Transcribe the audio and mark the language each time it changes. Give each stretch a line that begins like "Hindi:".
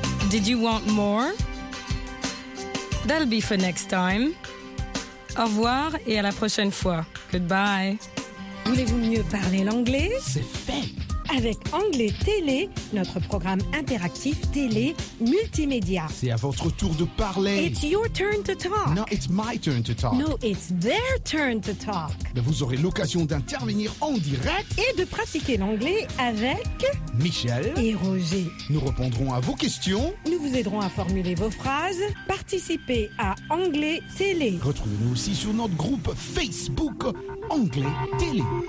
English: Did you want more? That'll be for next time.
French: Au revoir et à la prochaine fois.
English: Goodbye.
French: Voulez-vous mieux parler l'anglais? C'est fait! Avec Anglais Télé, notre programme interactif télé multimédia. C'est à votre tour de parler.
English: It's your turn to talk. No, it's my turn to talk. No, it's their turn to talk.
French: Mais vous aurez l'occasion d'intervenir en direct. Et de pratiquer l'anglais avec... Michel. Et Roger. Nous répondrons à vos questions. Nous vous aiderons à formuler vos phrases. Participez à Anglais Télé. Retrouvez-nous aussi sur notre groupe Facebook Anglais Télé.